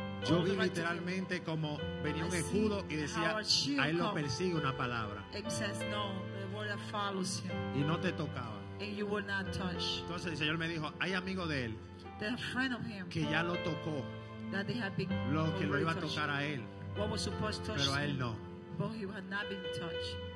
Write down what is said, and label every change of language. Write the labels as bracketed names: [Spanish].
[Spanish] yo vi literalmente como venía un escudo y decía, a él lo persigue una palabra. [English] It says, no, the word that follows him. [Spanish] Y no te tocaba. [English] And you will not touch. [Spanish] Entonces el Señor me dijo, hay amigo de él que ya lo tocó. [English] That they had been [Spanish] lo que lo iba a tocar a él. [English] What was supposed to touch [Spanish] pero a él no. [English] But he had not been touched.